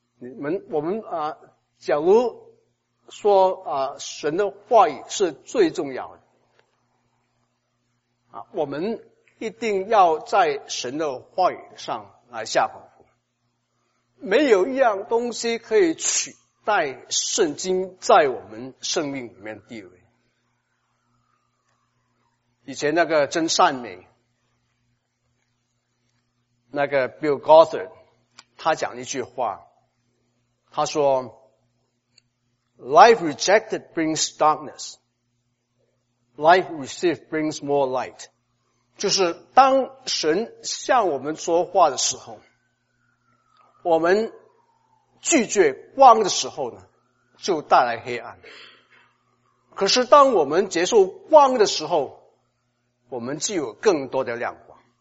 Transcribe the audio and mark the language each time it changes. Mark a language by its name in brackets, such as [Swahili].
[Chinese] 你们我们啊假如说啊神的话语是最重要的啊，我们一定要在神的话语上来下功夫。没有一样东西可以取代圣经在我们生命里面的地位。以前那个真善美，那个 Bill Gothard， 他讲一句话，他说 [English] Life rejected brings darkness, life received brings more light。 [Chinese] 就是当神向我们说话的时候，我们拒绝光的时候呢，就带来黑暗。可是当我们接受光的时候，我们就有更多的亮光。